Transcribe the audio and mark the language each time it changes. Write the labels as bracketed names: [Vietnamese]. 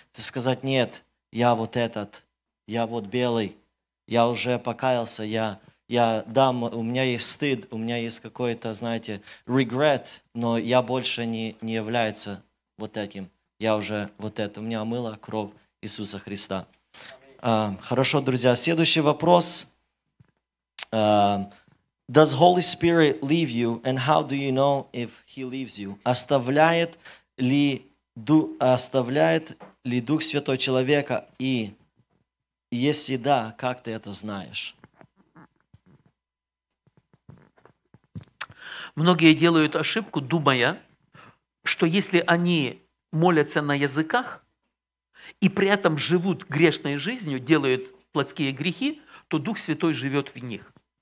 [Russian] Ты сказать, нет, я вот этот, я вот белый, я уже покаялся, я, у меня есть стыд, у меня есть какой-то, знаете, regret, но я больше не является вот этим. Я уже вот это, у меня омыла кровь Иисуса Христа. Хорошо, друзья, следующий вопрос. [English] Does Holy Spirit leave you, and how do you know if He leaves you? [Russian] Оставляет ли Дух Святой человека, и если да, как ты это знаешь? Многие делают ошибку, думая, что если они молятся на языках и при этом живут грешной жизнью, делают плотские грехи, то Дух Святой живет в них.